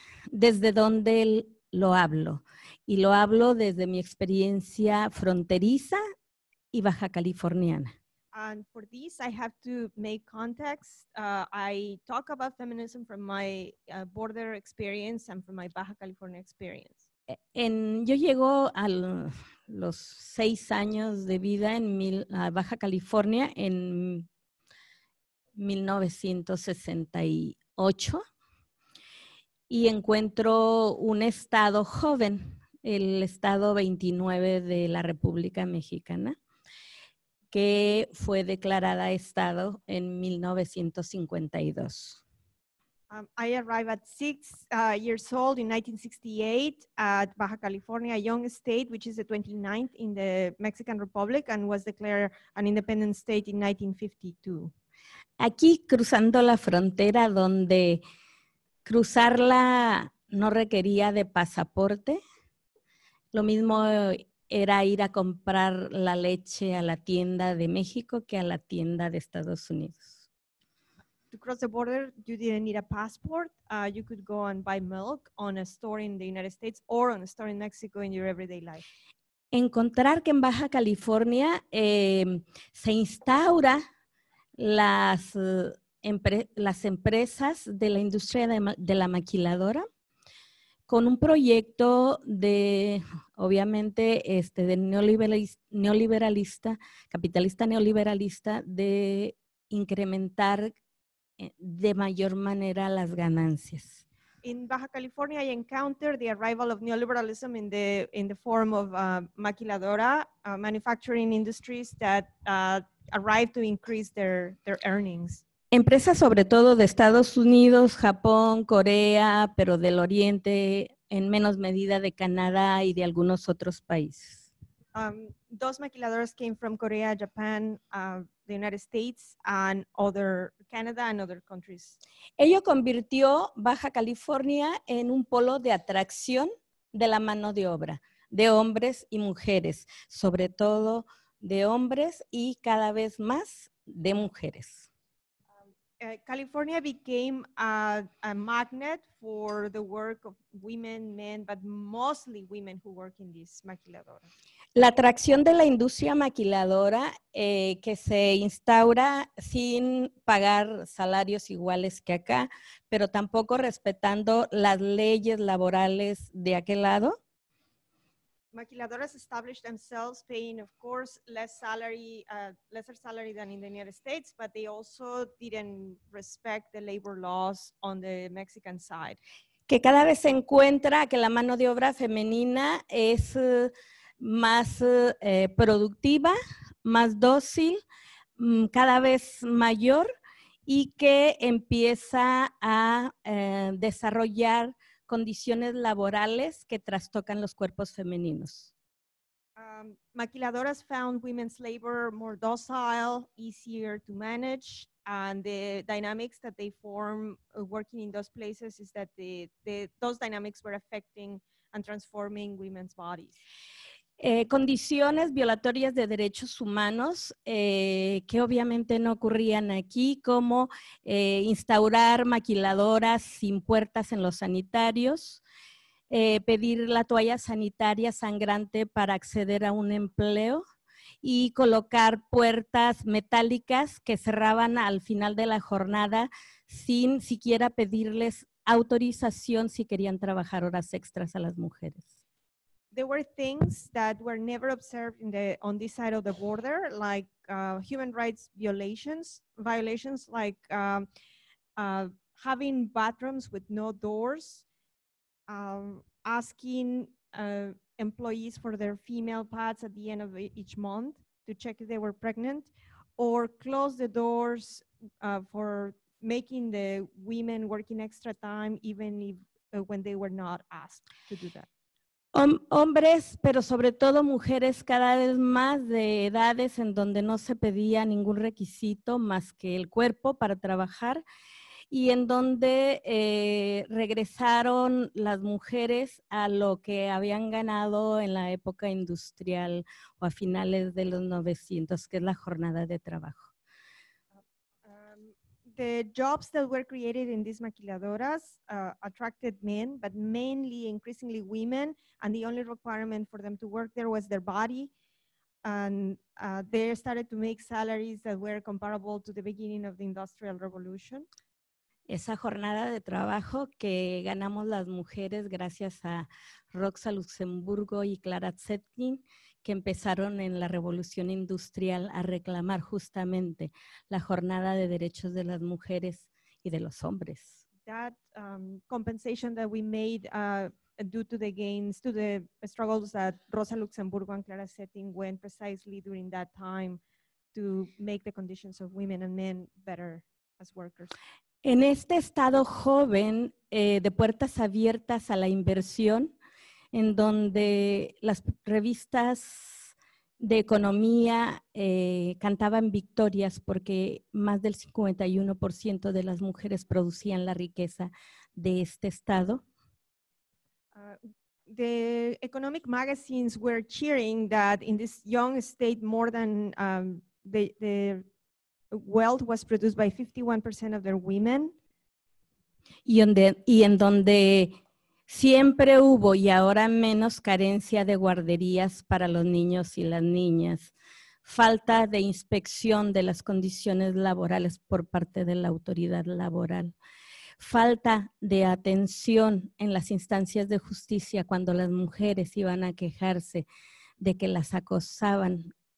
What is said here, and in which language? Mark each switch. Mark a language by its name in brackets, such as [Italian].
[Spanish] Desde dónde lo hablo. Y lo hablo desde mi experiencia fronteriza y baja californiana. [English] And for this, I have to make context. I talk about feminism from my border experience and from my Baja California experience. [Spanish] Yo llego a los 6 años de vida en Baja California en 1968 y encuentro un estado joven, el estado 29 de la República Mexicana, que fue declarada estado en 1952. [English] I arrived at 6 years old in 1968 at Baja California, a young state, which is the 29th in the Mexican Republic and was declared an independent state in 1952. [Spanish] Aquí cruzando la frontera donde cruzarla no requería de pasaporte. Lo mismo era ir a comprar la leche a la tienda de México que a la tienda de Estados Unidos. [English] To cross the border, you didn't need a passport. You could go and buy milk on a store in the United States or on a store in Mexico in your everyday life. [Spanish] Encontrar que en Baja California se instaura las empresas de la industria de la maquiladora con un proyecto de, obviamente, de capitalista neoliberalista de incrementar de mayor manera las ganancias. [English] In Baja California, I encountered the arrival of neoliberalism in the form of maquiladora, manufacturing industries that arrived to increase their earnings. [Spanish] Empresas sobre todo de Estados Unidos, Japón, Corea, pero del Oriente, en menos medida de Canadá y de algunos otros países. Dos [English] maquiladoras came from Korea, Japan, the United States, and other Canada and other countries. [Spanish] Ello convirtió Baja California en un polo de atracción de la mano de obra, de hombres y mujeres, sobre todo de hombres y cada vez más de mujeres. [English] California became a magnet for the work of women, men, but mostly women who work in this maquiladora. [Spanish] La atracción de la industria maquiladora que se instaura sin pagar salarios iguales que acá, pero tampoco respetando las leyes laborales de aquel lado. [English] Maquiladoras established themselves paying, of course, lesser salary than in the United States, but they also didn't respect the labor laws on the Mexican side. [Spanish] Que cada vez se encuentra que la mano de obra femenina es más productiva, más dócil, cada vez mayor, y que empieza a desarrollar condiciones laborales que trastocan los cuerpos femeninos. [English] Maquiladoras found women's labor more docile, easier to manage, and the dynamics that they form working in those places is that those dynamics were affecting and transforming women's bodies. [Spanish] Condiciones violatorias de derechos humanos que obviamente no ocurrían aquí, como instaurar maquiladoras sin puertas en los sanitarios, pedir la toalla sanitaria sangrante para acceder a un empleo y colocar puertas metálicas que cerraban al final de la jornada sin siquiera pedirles autorización si querían trabajar horas extras a las mujeres. [English] There were things that were never observed on this side of the border, like human rights violations like having bathrooms with no doors, asking employees for their female pads at the end of each month to check if they were pregnant, or close the doors for making the women working extra time even if when they were not asked to do that. [Spanish] Hombres, pero sobre todo mujeres cada vez más de edades en donde no se pedía ningún requisito más que el cuerpo para trabajar y en donde regresaron las mujeres a lo que habían ganado en la época industrial o a finales de los 900, que es la jornada de trabajo. [English] The jobs that were created in these maquiladoras attracted men, but mainly increasingly women, and the only requirement for them to work there was their body. And they started to make salaries that were comparable to the beginning of the Industrial Revolution. [Spanish] Esa jornada de trabajo que ganamos las mujeres gracias a Rosa Luxemburgo y Clara Zetkin, que empezaron en la revolución industrial a reclamar justamente la jornada de derechos de las mujeres y de los hombres. [English] That compensation that we made due to the gains, to the struggles that Rosa Luxemburgo and Clara Zetkin went precisely during that time to make the conditions of women and men better as workers. [Spanish] En este estado joven de puertas abiertas a la inversión, en donde las revistas de economía cantaban victorias porque más del 51% de las mujeres producían la riqueza de este estado. [English] The economic magazines were cheering that in this young state more than the wealth was produced by 51% of their women. [Spanish] Y en donde siempre hubo y ahora menos carencia de guarderías para los niños y las niñas, falta de inspección de las condiciones laborales por parte de la autoridad laboral, falta de atención en las instancias de justicia cuando las mujeres iban a quejarse de que las acosaban